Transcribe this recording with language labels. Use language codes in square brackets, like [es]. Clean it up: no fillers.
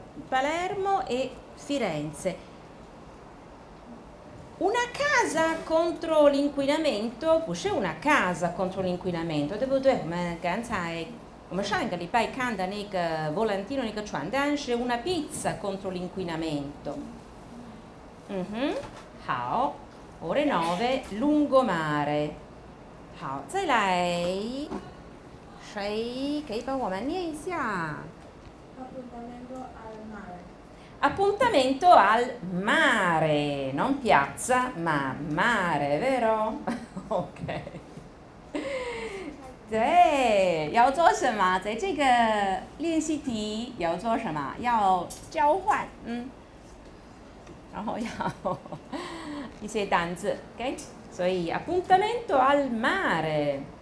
[it] Palermo e Firenze。 Una casa contro l'inquinamento [zh] 不是 [it] una casa contro l'inquinamento [zh] 对不对？我们刚才我们上一个礼拜看的那个 volantino 那个传单是 [it] una pizza contro l'inquinamento。嗯哼，好。Ore 9 lungomare。 [zh] 好，再来，谁可以帮我们念一下 [it] ？Appuntamento al mare。 Appuntamento al mare, non piazza, ma mare, vero? [en] Ok. [zh] 对，要做什么？在这个练习题要做什么？要交换，嗯。然后要一些单字 ，OK？所以 [it] appuntamento al mare。